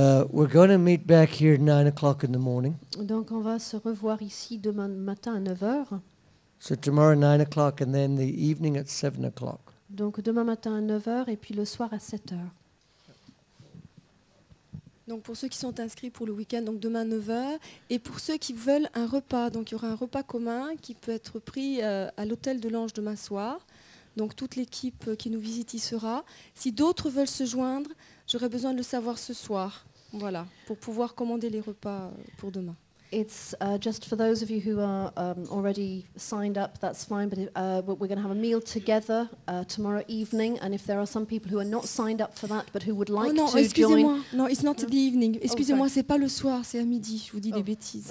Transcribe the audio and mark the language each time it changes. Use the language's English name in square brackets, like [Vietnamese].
[English] We're going to meet back here at 9:00 in the morning. [French] Donc on va se revoir ici demain matin à 9h. [English] So tomorrow 9:00 and then the evening at 7:00. [French] Donc demain matin à 9h et puis le soir à 7h. Donc pour ceux qui sont inscrits pour le week-end, donc demain 9h, et pour ceux qui veulent un repas, donc il y aura un repas commun qui peut être pris à l'hôtel de l'Ange demain soir. Donc toute l'équipe qui nous visite y sera. Si d'autres veulent se joindre, j'aurais besoin de le savoir ce soir, voilà, pour pouvoir commander les repas pour demain. [English] It's just for those of you who are already signed up, that's fine, but we're going to have a meal together tomorrow evening, and if there are some people who are not signed up for that, but who would like to [French] excusez-moi. [English] Join... [French] Oh non, excusez-moi, non, [English] it's not the evening, [French] excusez-moi, c'est pas le soir, c'est à midi, je vous dis des bêtises.